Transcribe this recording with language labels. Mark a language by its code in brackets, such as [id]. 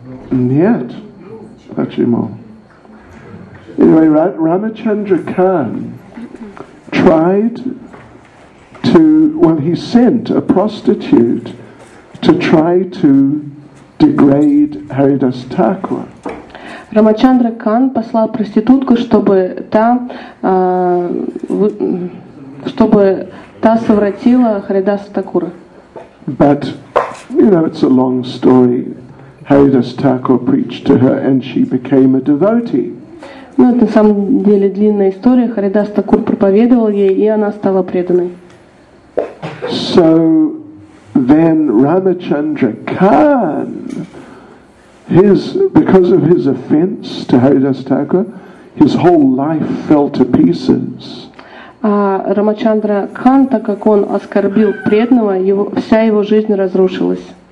[ru] Нет. Почему? [en] Anyway, Ramachandra Khan tried to, well, he sent a prostitute to try to degrade Haridas Thakur. [ru] Рамачандра Кан послал проститутку, чтобы та совратила Харидаса Такура. [en] But, you know, it's a long story. Haridas Thakur preached to her and she became a devotee. [ru] Ну, это на самом деле длинная история. Харидас Такур проповедовал ей, и она стала преданной. [en] So then Ramachandra Khan, because of his offense to Haridasa Thakura, his whole life fell to pieces. [ru] А Рамачандра Кан, так как он оскорбил преданного, вся его жизнь разрушилась.